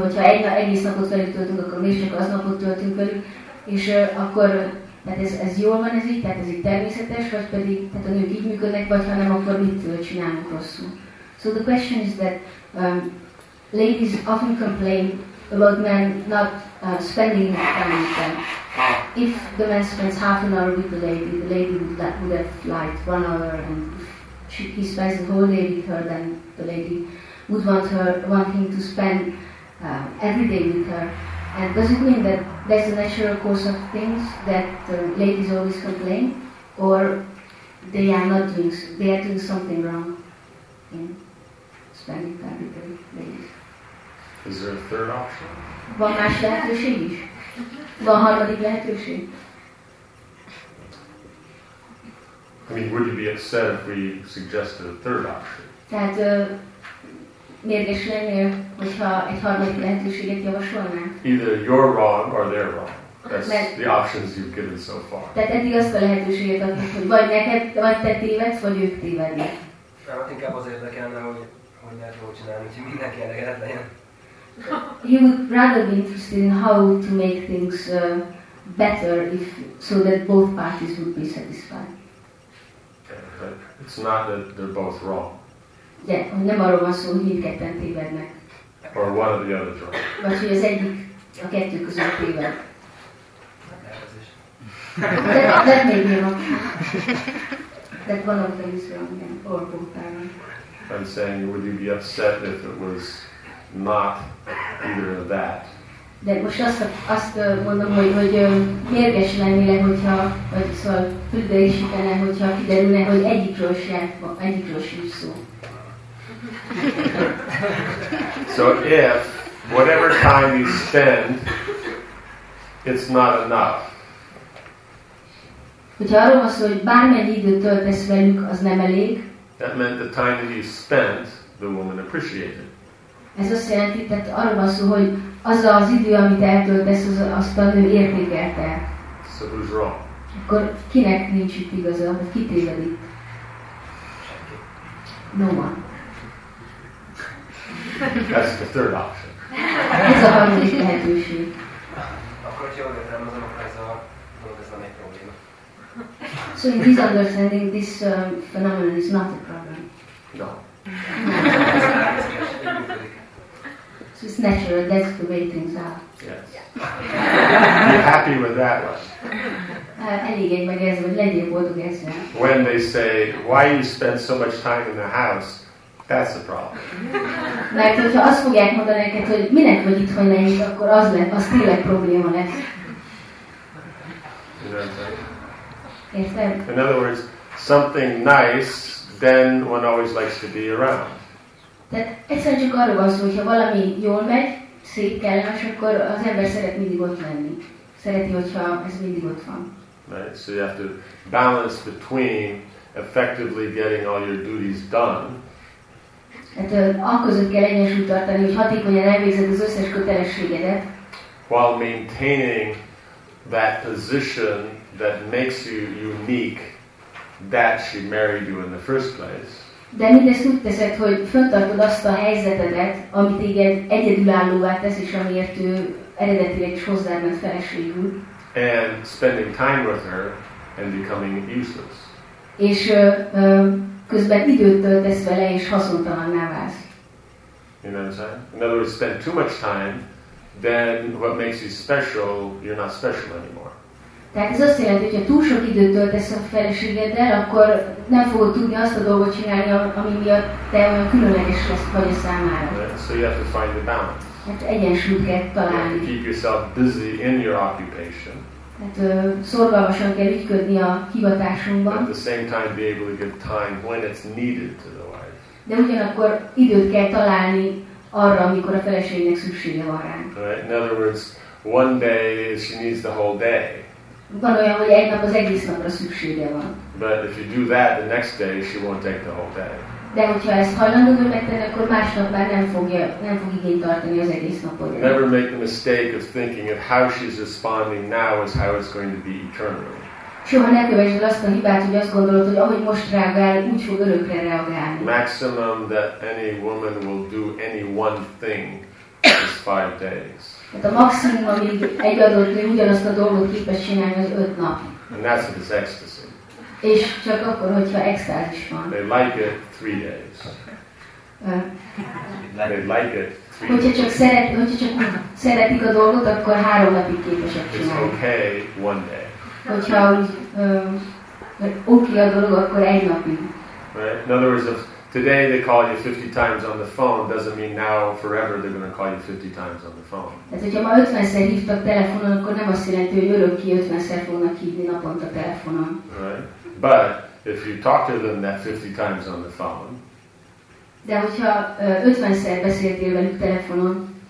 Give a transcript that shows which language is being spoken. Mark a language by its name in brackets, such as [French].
[Hungarian] Hogyha egész napot velük töltünk, akkor még csak az napot töltünk velük, és akkor, tehát ez jól van ez így, tehát ez így természetes, vagy pedig, tehát a nők így működnek, vagy ha nem, akkor mit csinálunk rosszul. [English] So the question is that ladies often complain about men not spending enough time with them. If the man spends half an hour with the lady would have liked 1 hour, and if he spends the whole day with her, then the lady would want him to spend every day with her. And does it mean that there's a natural course of things that ladies always complain, or they are not doing? They are doing something wrong in spending time with the ladies. Is there a third option? [Hungarian] Van más lehetőség is? Van harmadik lehetőség? [English] I mean, would you be upset if we suggested a third option? [Hungarian] Tehát mérges lennél, hogyha egy harmadik lehetőséget javasolnánk? [English] Either you're wrong or they're wrong. That's the options you've given so far. [Hungarian] Tehát eddig azt a lehetőséget adtuk, hogy vagy neked, vagy te tévedsz, vagy ők tévednek. Hát inkább az érdekelne, hogy lehet jól csinálni, hogy mindenki elégedett legyen. [English] He would rather be interested in how to make things better, if so that both parties would be satisfied. Yeah, but it's not that they're both wrong. [Hungarian] Yeah, hogy nem arról van szó, hogy mindketten tévednek. [English] Or one of the other wrong. [Hungarian] Vagy hogy az egyik a kettő között téved. [English] That may be wrong. That one of them is wrong, yeah, or both are wrong. I'm saying, would you be upset if it was not either of that. [Hungarian] De most azt mondom, hogy mérges lennél, hogyha, vagy szóval tüdőisítenél, hogyha kiderülne, hogy egyikről sincs szó. [English] So if whatever time you spend, it's not enough. [Hungarian] Hogyha arról van szó, hogy bármennyi időt töltesz velük, az nem elég. [English] That meant the time that you spent, the woman appreciated. [Hungarian] Ez azt jelenti, tehát arról van szó, hogy az az idő, amit eltöltesz, az, azt a nő értékelte. [English] So who's wrong? [Hungarian] Akkor kinek nincs itt igaza, hogy ki téved itt? [English] No one. That's the third option. [Hungarian] Ez a harmadik lehetőség. Akkor hogy jól értelmezem, akkor ez a dolog, ez nem egy probléma. [English] So in this understanding, this phenomenon is not a problem. No. So it's natural, that's the way things are. Yes. Yeah. Be happy with that one. [Hungarian] Elég egy meg ez, hogy legyél boldog ezzel. [English] When they say, why you spend so much time in the house, that's a problem. [Hungarian] Mert hogyha azt fogják mondani neked, hogy minek vagy itthon lenni, akkor az lett, az tényleg probléma lesz. [English] In other words, something nice, then one always likes to be around. [Hungarian] Tehát egyszerűen csak arról van szó, hogyha valami jól megy, szép, kellemes, akkor az ember szeret mindig ott lenni. Szereti, hogyha ez mindig ott van. [English] Right, so you have to balance between effectively getting all your duties done. [Hungarian] Tehát akközött kell egyensúlyt tartani, hogy hatékonyan elvégzed az összes kötelességedet. [English] While maintaining that position that makes you unique, that she married you in the first place. [Hungarian] De mindezt úgy teszed, hogy fönntartod azt a helyzetedet, ami téged egyedülállóvá tesz, és amiért ő eredetileg is hozzád ment feleségül. [English] And spending time with her and becoming useless. [Hungarian] És közben időt töltesz vele, és haszontalanná válsz. [English] You know what I'm saying? In other words, spend too much time, then what makes you special, you're not special anymore. [Hungarian] Tehát ez azt jelenti, hogy ha túl sok időt töltesz a feleségeddel, akkor nem fogod tudni azt a dolgot csinálni, ami miatt te olyan különleges vagy a számára. [English] So you have to find the balance. [Hungarian] Hát egyensúlyt kell találni. [English] You keep yourself busy in your occupation. [Hungarian] Tehát szorgalmasan kell ügyködni a hivatásunkban. [English] At the same time be able to give time when it's needed to the wife. [Hungarian] De ugyanakkor időt kell találni arra, amikor a feleségnek szüksége van rá. [English] Right? In other words, one day she needs the whole day. [Hungarian] Van olyan, hogy egy nap az egész napra szüksége van. [English] But if you do that, the next day she won't take the whole day. [Hungarian] De hogyha ezt hajlandó megtenni, akkor másnap már nem fog igényt tartani az egész napot. [English] Never make the mistake of thinking of how she's responding now is how it's going to be eternally. [Hungarian] Soha ne kövessd azt a hibát, hogy azt gondolod, hogy ahogy most reagál, úgy fog örökre reagálni. [English] Maximum that any woman will do any one thing is 5 days. [Hungarian] Tehát a maximum, amíg egy adott nő ugyanazt a dolgot képes csinálni, az 5 nap. [English] And that's if it's ecstasy. [Hungarian] És csak akkor, hogyha extázis van. [English] They like it 3 days. They like it 3 days. [Hungarian] Hogyha csak szeretik a dolgot, akkor 3 napig képesek csinálni. [English] It's okay 1 day. [Hungarian] Hogyha oké a dolog, akkor 1 napig. [English] Right? In other words, if today they call you 50 times on the phone, doesn't mean now forever they're going to call you 50 times on the phone. [Hungarian] Tehát, hogyha ma 50-szer hívtak telefonon, akkor nem azt jelenti, hogy örökké 50-szer fognak hívni naponta telefonon. [English] Right? But if you talk to them that 50 times on the phone, [Hungarian] de hogyha 50-szer beszéltél velük telefonon,